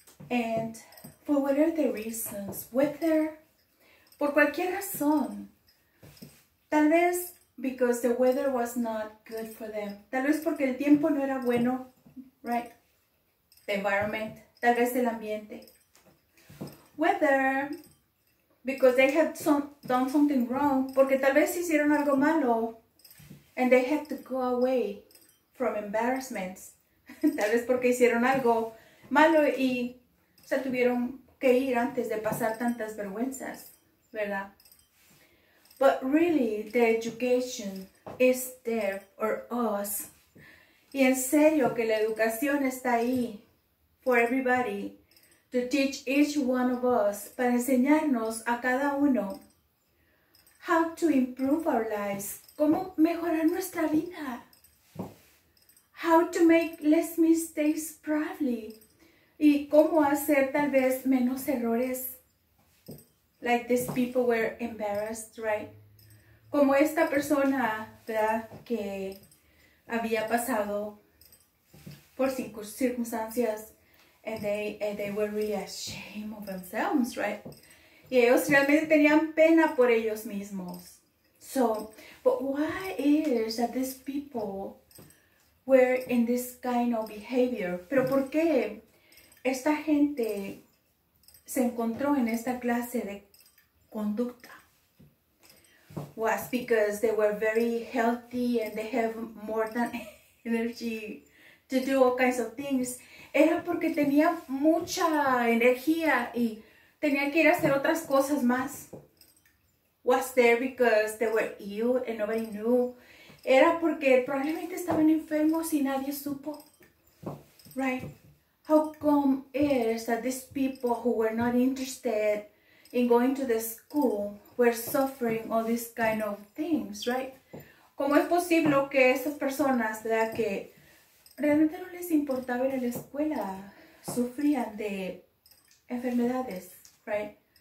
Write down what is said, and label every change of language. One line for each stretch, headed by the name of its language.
English: And for whatever the reasons, whether,
Spanish: por cualquier razón, tal vez
English: because the weather was not good for them,
Spanish: tal vez porque el tiempo no era bueno,
English: right? The environment,
Spanish: tal vez el ambiente.
English: Whether because they had done something wrong,
Spanish: porque tal vez hicieron algo malo,
English: and they had to go away from embarrassments.
Spanish: Tal vez porque hicieron algo malo y se tuvieron que ir antes de pasar tantas vergüenzas, ¿verdad?
English: But really, the education is there, or us.
Spanish: Y en serio, que la educación está ahí
English: for everybody, to teach each one of us,
Spanish: para enseñarnos a cada uno
English: how to improve our lives,
Spanish: cómo mejorar nuestra vida,
English: how to make less mistakes probably,
Spanish: y cómo hacer tal vez menos errores,
English: like these people were embarrassed, right?
Spanish: Como esta persona, ¿verdad?, que había pasado por circunstancias,
English: and they were really ashamed of themselves, right?
Spanish: Y ellos realmente tenían pena por ellos mismos.
English: So, but why is that these people were in this kind of behavior?
Spanish: Pero ¿por qué esta gente se encontró en esta clase de conducta?
English: Was because they were very healthy and they have more than energy to do all kinds of things.
Spanish: Era porque tenía mucha energía y tenía que ir a hacer otras cosas más.
English: Was there because they were ill and nobody knew.
Spanish: Era porque probablemente estaban enfermos y nadie supo.
English: Right? How come is that these people who were not interested in going to the school were suffering all these kind of things, right?
Spanish: ¿Cómo es posible que esas personas, ¿verdad?, que realmente no les importaba ir a la escuela, sufrían de enfermedades, right?